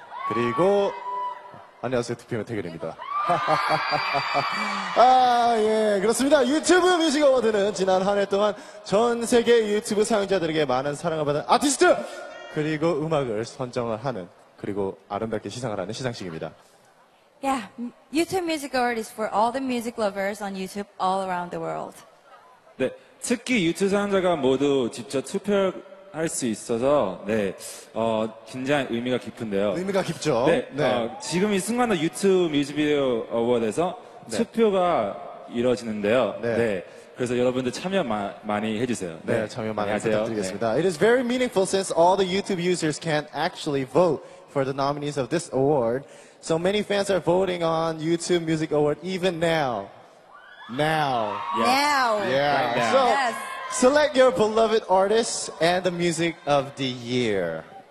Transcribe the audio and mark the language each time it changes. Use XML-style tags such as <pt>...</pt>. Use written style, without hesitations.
<ko>그리고 안녕하세요, 2PM의 태결입니다. 아, 예, 그렇습니다. 유튜브 뮤직 어워드는 지난 한 해 동안 전 세계 유튜브 사용자들에게 많은 사랑을 받은 아티스트! 그리고 음악을 선정을 하는, 그리고 아름답게 시상을 하는 시상식입니다.</ko> <en>Yeah, YouTube Music Award is for all the music lovers on YouTube all around the world.</en> <ko>네, 특히 유튜브 사용자가 모두 직접 투표할 수 있어서, 네, 굉장히 의미가 깊은데요. 의미가 깊죠. 네, 네. 지금 이 순간의 유튜브 뮤직 비디오 어워드에서 네. 투표가 이루어지는데요. 네. 네. 그래서 여러분들 참여 많이 해주세요. 네, 네 참여 많이 안녕하세요. 부탁드리겠습니다. 네.</ko> <en>It is very meaningful since all the YouTube users can't actually vote for the nominees of this award. So many fans are voting on YouTube Music Award even now. Now. Yes. Now. Yeah. Right now. So, yes. Select your beloved artists and the music of the year.</en>